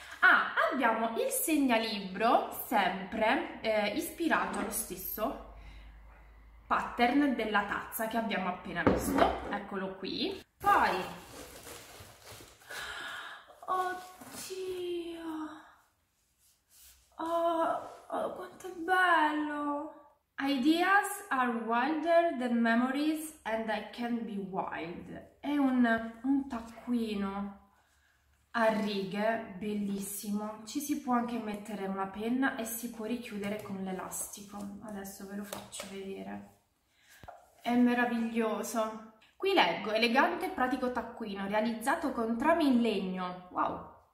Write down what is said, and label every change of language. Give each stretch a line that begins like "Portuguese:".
Italian: Ah, abbiamo il segnalibro, sempre ispirato allo stesso pattern della tazza che abbiamo appena visto, eccolo qui. Poi, oddio, oh, oh quanto è bello.
English: Ideas are wilder than memories and I can be wild.
Italian: È un taccuino a righe, bellissimo. Ci si può anche mettere una penna e si può richiudere con l'elastico. Adesso ve lo faccio vedere. È meraviglioso. Qui leggo, elegante e pratico taccuino, realizzato con trame in legno. Wow!